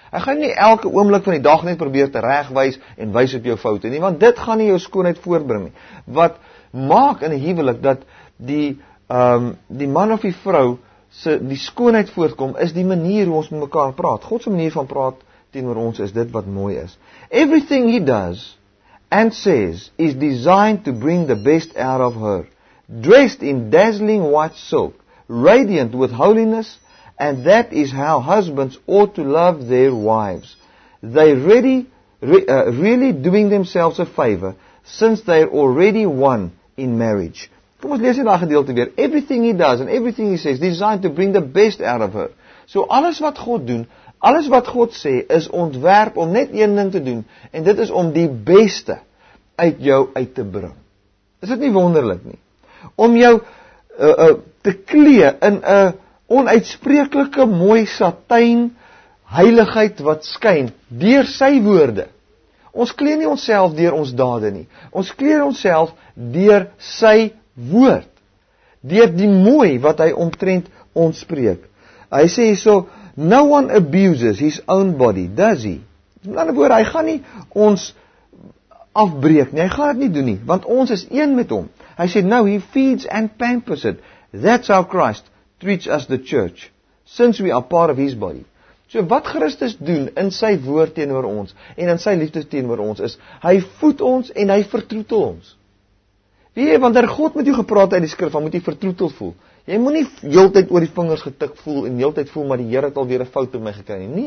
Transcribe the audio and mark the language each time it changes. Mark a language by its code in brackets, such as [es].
[af] Hy gaan nie elke oomblik van die dag net probeer te regwys en wys op jou foute nie, want dit gaan nie jou skoonheid voortbring nie. Wat maak in 'n huwelik dat die man of die vrou se die skoonheid voortkom is die manier hoe ons met mekaar praat. God se manier van praat teenoor ons is dit wat mooi is. [en] Everything he does and says is designed to bring the best out of her, dressed in dazzling white silk, radiant with holiness, and that is how husbands ought to love their wives. They really doing themselves a favor since they are already one in marriage. [af] Kom ons lees hierdie gedeelte weer. [en] Everything he does and everything he says designed to bring the best out of her. [af] So alles wat God doen, alles wat God sê, is ontwerp om net een ding te doen. En dit is om die beste uit jou uit te bring. Is dit nie wonderlik nie? Om jou te klee in 'n onuitspreeklike mooi satijn heiligheid wat skyn deur sy woorde. Ons klee nie onsself deur ons dade nie. Ons klee onsself deur sy woord, deur die mooi wat hy omtrent ons spreek. Hy sê so, [en] no one abuses his own body, does he? [af] In ander woorde, hy gaan nie ons afbreek nie, hy gaan dit nie doen nie, want ons is een met hom. Hy sê, [en] no, he feeds and pampers it. That's how Christ treats us the church, since we are part of his body. [af] So wat Christus doen in sy woord teenoor ons, en in sy liefde teenoor ons is, hy voed ons en hy vertroetel ons. Wie jy, wanneer God met jou gepraat uit die skrif, dan moet jy vertroetel voel. Jy moet nie heeltyd oor die vingers getik voel en heeltyd voel, maar die Here het alweer 'n fout in my gekry nie.